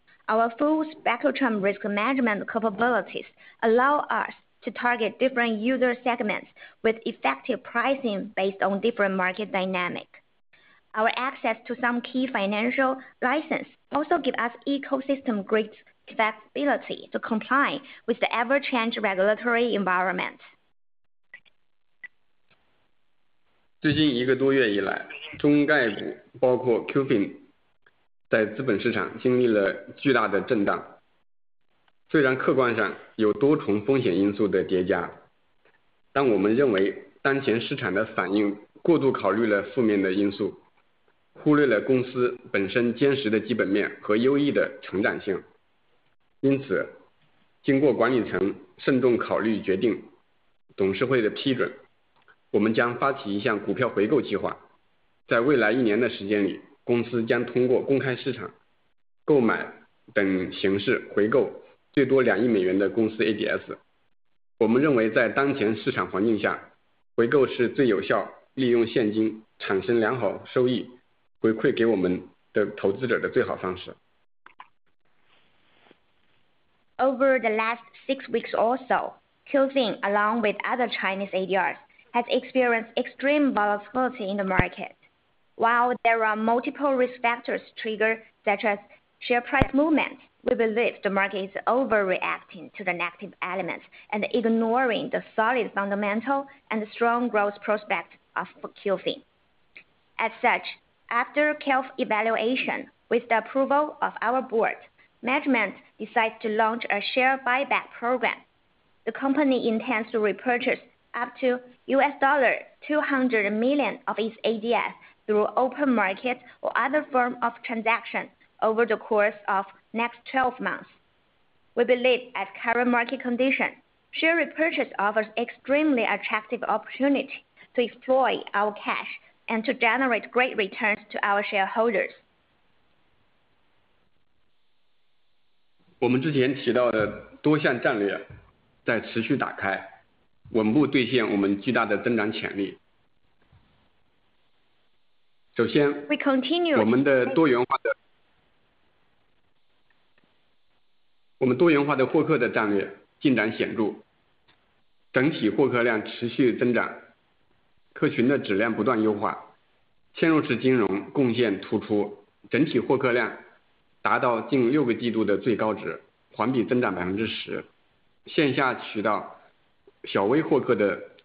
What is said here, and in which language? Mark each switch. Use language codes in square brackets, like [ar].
[en] Our full spectrum risk management capabilities allow us to target different user segments with effective pricing based on different market dynamics. Our access to some key financial license also give us ecosystem great flexibility to comply with the ever-changing regulatory environment. [zh] 最近一个多月以来，中概股包括 QFIN 在资本市场经历了巨大的震荡。虽然客观上有多重风险因素的叠加，但我们认为当前市场的反应过度考虑了负面的因素，忽略了公司本身坚实的基本面和优异的成长性。因此，经过管理层慎重考虑决定，董事会的批准，我们将发起一项股票回购计划，在未来一年的时间里，公司将通过公开市场购买等形式回购最多2亿美元的公司 ADS。我们认为在当前市场环境下，回购是最有效利用现金产生良好收益回馈给我们的投资者的最好方式。 [en] Over the last 6 weeks or so, QFIN, along with other Chinese ADRs, has experienced extreme volatility in the market. While there are multiple risk factors triggered, such as share price movement, we believe the market is overreacting to the negative elements and ignoring the solid fundamental and strong growth prospects of QFIN. As such, after careful evaluation, with the approval of our board,Management decides to launch a share buyback program. The company intends to repurchase up to $200 million of its ADS through open market or other form of transaction over the course of next 12 months. We believe at current market conditions, share repurchase offers extremely attractive opportunity to exploit our cash and to generate great returns to our shareholders. [zh] 我们之前提到的多项战略在持续打开，稳步兑现我们巨大的增长潜力。首先，我们多元化的获客的战略进展显著，整体获客量持续增长，客群的质量不断优化，嵌入式金融贡献突出，整体获客量达到近6个季度的最高值，环比增长10%，线下渠道小微获客的